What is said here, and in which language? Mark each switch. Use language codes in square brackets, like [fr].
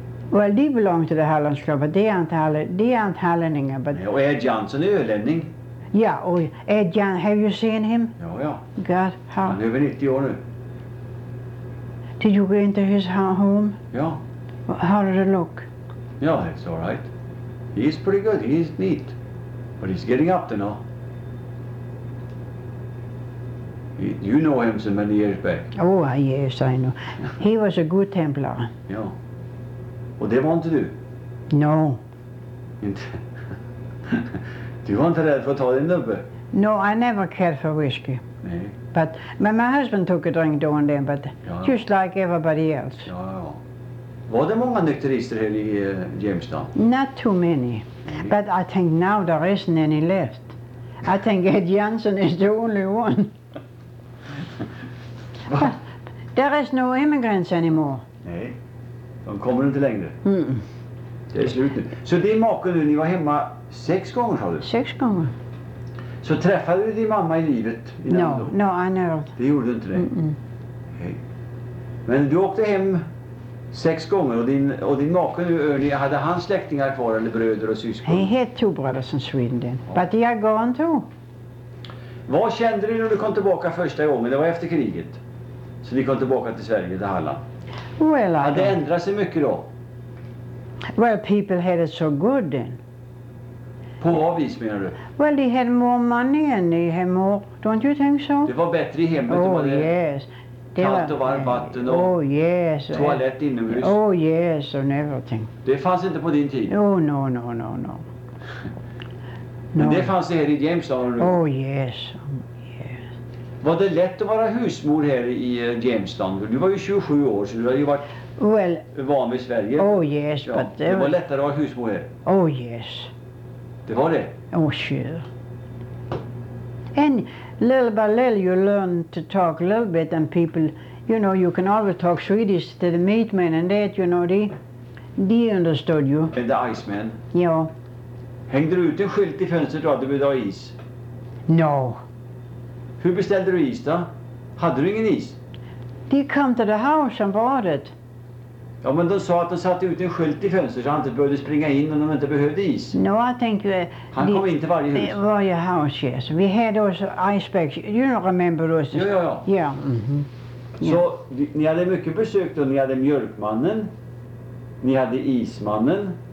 [en] Well, they belong to the Hallands Club, but they aren't Hallänningar. But [sv] ja, Ed Jansson är ölänning. Ja, och [en] Ed Jansson, have you seen him? [sv] Ja. [en] God, how? [sv] Han är över 90 år nu. [en] Did you go into his home? [sv] Ja. [en] How did it look? Ja, it's all right. He's pretty good, he's neat. But he's getting up there now. You know him so many years back. Oh, yes, I know. He was a good Templar. [sv] Ja. Och det var inte du? [en] No. [sv] Inte? Du var inte rädd för att ta din nubbe? [en] No, I never cared for whiskey. [sv] Nej. [en] But my husband took a drink då and then, but [sv] ja. [en] Just like everybody else. [sv] Ja. Var det många nykterister här i Jämstad? [en] Not too many. Nej. But I think now there isn't any left. I think Ed Jansson is the only one. There is no immigrants anymore. [sv] Nej, de kommer inte längre. Mm. Det är slut nu. Så din make nu, ni var hemma sex gånger, sa du? Sex gånger. Så träffade du din mamma i livet? [en] No, I never. [sv] Det gjorde du inte det? Mm-mm. Nej. Men du åkte hem sex gånger och din make nu, Ernie, hade han släktingar kvar eller bröder och syskon? [en] He had two brothers in Sweden then, but they are gone too. [sv] Vad kände du när du kom tillbaka första gången? Det var efter kriget. Så ni kom tillbaka till Sverige, till Halland. [en] Well, [sv] hade det ändrat sig mycket då? [en] Well, people had it so good then. [sv] På vad vis menar du? [en] Well, they had more money and they had more, don't you think so? [sv] Det var bättre i hemmet. [en] Oh, [sv] de [en] yes. [sv] Kallt och varmt vatten och toalett inomhus. [en] Oh, yes, and everything. [sv] Det fanns inte på din tid? [en] Oh, no. [sv] Men det fanns det här i Jämstad? [en] Oh yes. [sv] Var det lätt att vara husmor här i Jämstad? Du var ju 27 år så du har ju varit van i Sverige. [en] Oh yes, ja, but... [sv] Det var lättare att vara husmor här? [en] Oh yes. [sv] Du har det? [en] Oh, sure. And little by little you learn to talk a little bit and people, you know, you can always talk Swedish to the meat men and that, you know, de understood you. And the ice man? [sv] Ja. Hängde du ut en skylt i fönstret då att du ville ha is? [en] No. [sv] Hur beställde du is då? Hade du ingen is? De kom till [en] the house and bought it. [sv] Ja, men de sa att de satte ut en skylt i fönstret så han inte behövde springa in och de inte behövde is. [en] No, I think [sv] han kom inte varje hus. Varje [en] house, yes. We had those ice bags. You don't remember those. [sv] Ja, ja, ja. [en] Yeah. Mm-hmm. Yeah. [sv] Så ni hade mycket besök då. Ni hade mjölkmannen. Ni hade ismannen.